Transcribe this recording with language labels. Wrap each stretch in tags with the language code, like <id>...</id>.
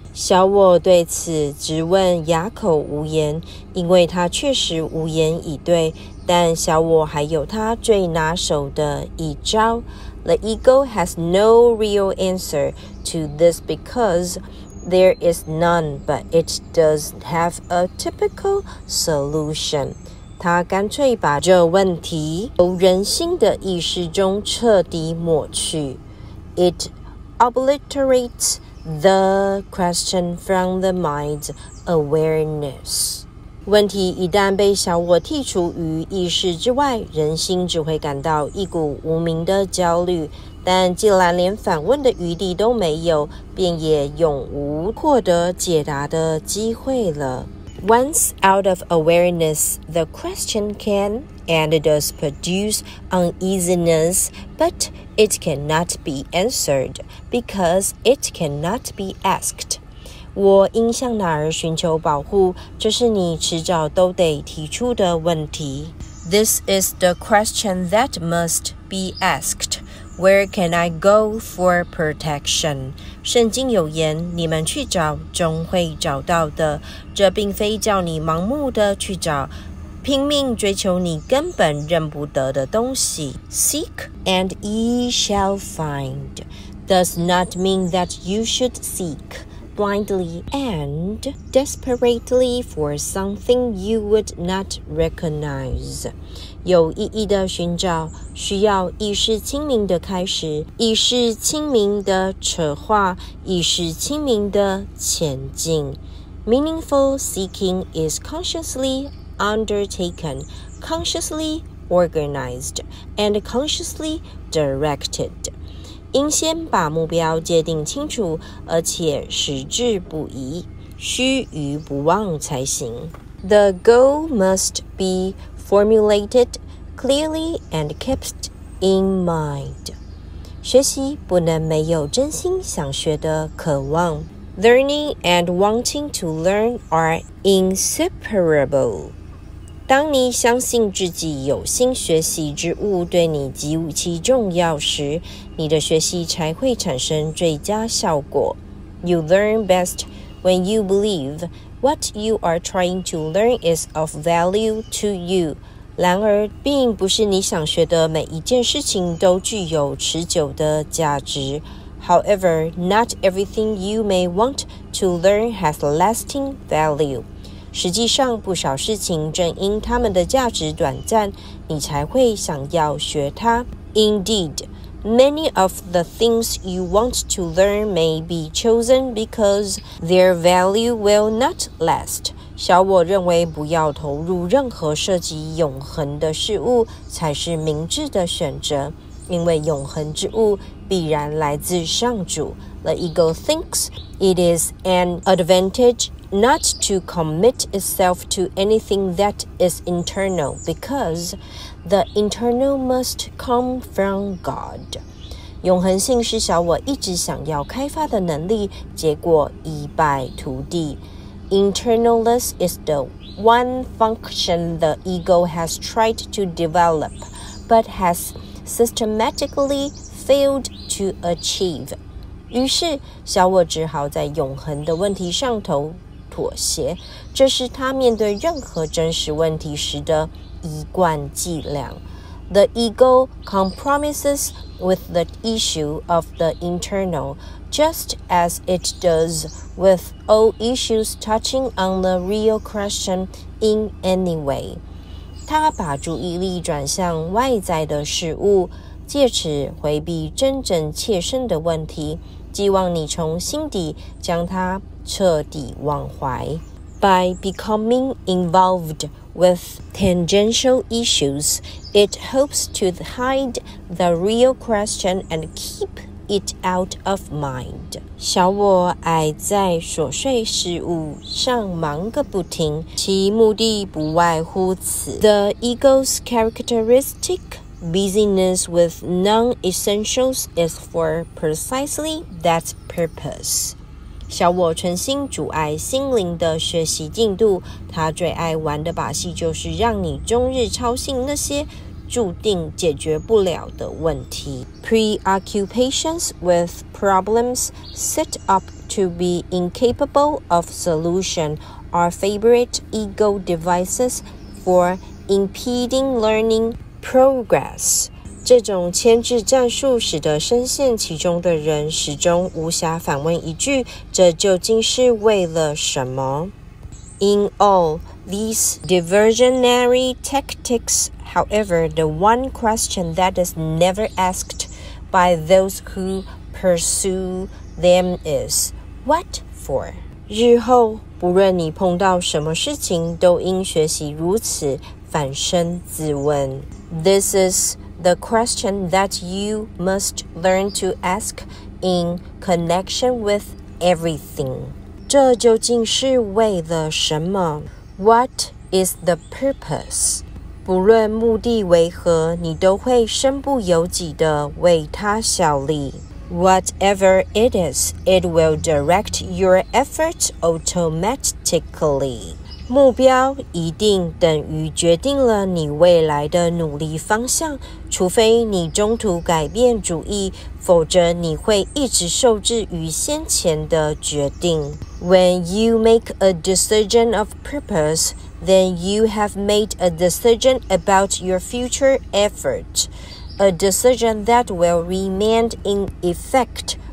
<zh>小我对此直问哑口无言，因为他确实无言以对，但小我还有他最拿手的一招。</zh> <en>The ego has no real answer to this because there is none, but it does have a typical solution.</en> <zh>他干脆把这问题由人性的意识中彻底抹去。</zh> <en>It obliterates the question from the mind's awareness.</en> <zh>问题一旦被小我剔除于意识之外，人心只会感到一股无名的焦虑，但既然连反问的余地都没有，便也永无获得解答的机会了。</zh> <en>Once out of awareness, the question can and does produce uneasiness, but it cannot be answered. Because it cannot be asked.</en> <zh>我应向哪儿寻求保护？这是你迟早都得提出的问题。</zh> <en>This is the question that must be asked. Where can I go for protection?</en> <zh>圣经有言，你们去找，终会找到的。这并非叫你盲目的去找，拼命追求你根本认不得的东西。</zh> <en>Seek and ye shall find.Does not mean that you should seek, blindly and desperately for something you would not recognize.</en> <zh>有意义的寻找需要意识清明的开始，意识清明的扯化，意识清明的前进。</zh> <en>Meaningful seeking is consciously undertaken, consciously organized, and consciously directed.</en> <zh>应先把目标界定清楚，而且矢志不移，须臾不忘才行。</zh> <en>The goal must be formulated clearly and kept in mind.</en> <zh>学习不能没有真心想学的渴望。</zh> <en>Learning and wanting to learn are inseparable.</en> <zh>当你相信自己有心学习之物对你极其重要时，你的学习才会产生最佳效果。</zh> <en>You learn best when you believe what you are trying to learn is of value to you.</en> <zh>然而，并不是你想学的每一件事情都具有持久的价值。</zh> <en>However, not everything you may want to learn has lasting value.</en> <zh>实际上，不少事情正因它们的价值短暂，你才会想要学它。</zh> <en>Indeed, many of the things you want to learn may be chosen because their value will not last.</en> <zh>小我认为，不要投入任何涉及永恒的事物才是明智的选择，因为永恒之物必然来自上主。</zh> <en>The ego thinks it is an advantage. Not to commit itself to anything that is internal, because the internal must come from God.</en> <zh>永恒性是小我一直想要开发的能力，结果一败涂地。</zh> <en>Internalness is the one function the ego has tried to develop, but has systematically failed to achieve.</en> <zh>于是，小我只好在永恒的问题上头妥协，这是他面对任何真实问题时的一贯伎俩。</zh> <en>The ego compromises with the issue of the internal, just as it does with all issues touching on the real question in any way.</en> <zh>他把注意力转向外在的事物，借此回避真正切身的问题，希望你从心底将它彻底忘怀。</zh> <en>By becoming involved with tangential issues, it hopes to hide the real question and keep it out of mind.</en> <zh>小我爱在琐碎事物上忙个不停，其目的不外乎此。</zh> <en>The ego's characteristic busyness with non-essentials is for precisely that purpose.</en> <zh>小我存心阻碍心灵的学习进度，他最爱玩的把戏就是让你终日操心那些注定解决不了的问题。</zh> <en>Preoccupations with problems set up to be incapable of solution are favorite ego devices for impeding learning progress.</en> <zh>这种牵制战术使得深陷其中的人始终无暇反问一句，这究竟是为了什么？</zh> <en>In all these diversionary tactics, however, the one question that is never asked by those who pursue them is, what for?</en> <zh>日后，不论你碰到什么事情，都应学习如此反身自问。</zh> <en>This isThe question that you must learn to ask in connection with everything.</en> <zh>这究竟是为了什么?</zh> <en>What is the purpose?</en> <zh>不论目的为何，你都会身不由己地为它效力。</zh> <en>Whatever it is, it will direct your efforts automatically.</en> <zh>目标一定等于决定了你未来的努力方向，除非你中途改变主意，否则你会一直受制于先前的决定。</zh> <en>When you make a decision of purpose, then you have made a decision about your future effort, a decision that will remain in effect</en>